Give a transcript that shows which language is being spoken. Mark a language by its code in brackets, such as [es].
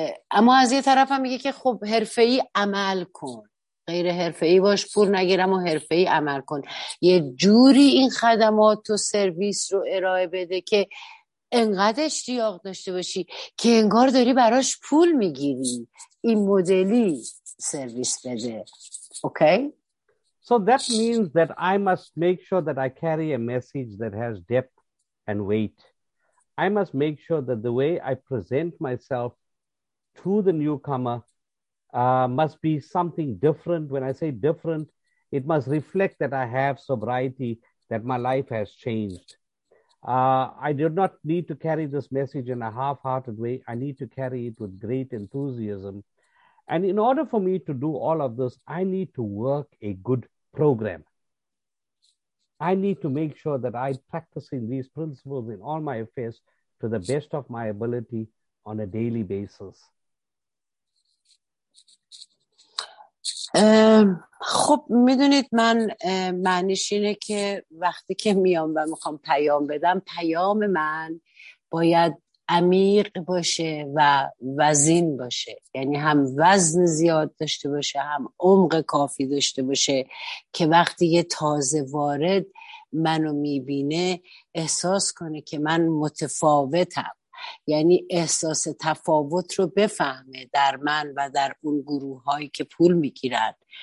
[fa] اما از یه طرف هم میگه که خب حرفه‌ای عمل کن، غیر حرفه‌ای باش، پول نگیرم و حرفه‌ای عمل کن، یه جوری این خدمات و سرویس رو ارائه بده که انقدر اشتیاق داشته باشی که انگار داری براش پول میگیری، این مدلی سرویس بده. [en] Okay? So that means that I must make sure that I carry a message that has depth and weight. I must make sure that the way I present myself to the newcomer must be something different. When I say different, it must reflect that I have sobriety, that my life has changed. I do not need to carry this message in a half-hearted way. I need to carry it with great enthusiasm. And in order for me to do all of this, I need to work a good program. I need to make sure that I'm practicing these principles in all my affairs to the best of my ability on a daily basis. [fa] خب میدونید من معنیش اینه که وقتی که میام و میخوام پیام بدم، پیام من باید عمیق باشه و وزین باشه، یعنی هم وزن زیاد داشته باشه هم عمق کافی داشته باشه که وقتی یه تازه وارد منو میبینه احساس کنه که من متفاوتم، یعنی احساس تفاوت رو بفهمه در من و در اون گروه هایی که پول میگیرن.